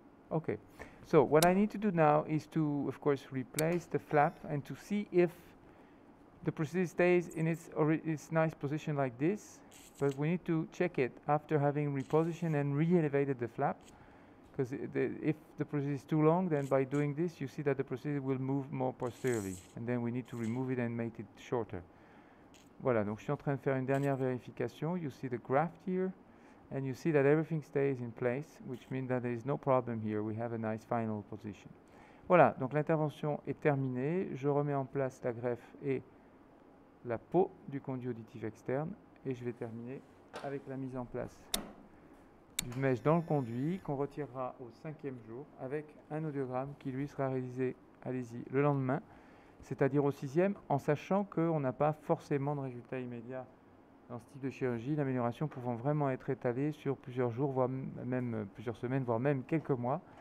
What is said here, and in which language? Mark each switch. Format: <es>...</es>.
<en>Okay, so what I need to do now is to of course replace the flap and to see if the prosthesis stays in its nice position like this, but we need to check it after having repositioned and re-elevated the flap, because if the prosthesis is too long, then by doing this, you see that the prosthesis will move more posteriorly, and then we need to remove it and make it shorter.</en> <fr>Voilà, donc je suis en train de faire une dernière vérification.</fr> <en>You see the graft here, and you see that everything stays in place, which means that there is no problem here. We have a nice final position.</en> <fr>Voilà, donc l'intervention est terminée. Je remets en place la greffe et la peau du conduit auditif externe et je vais terminer avec la mise en place d'une mèche dans le conduit qu'on retirera au cinquième jour avec un audiogramme qui lui sera réalisé, allez-y, le lendemain, c'est-à-dire au sixième, en sachant qu'on n'a pas forcément de résultat immédiat dans ce type de chirurgie, l'amélioration pouvant vraiment être étalée sur plusieurs jours, voire même plusieurs semaines, voire même quelques mois.</fr>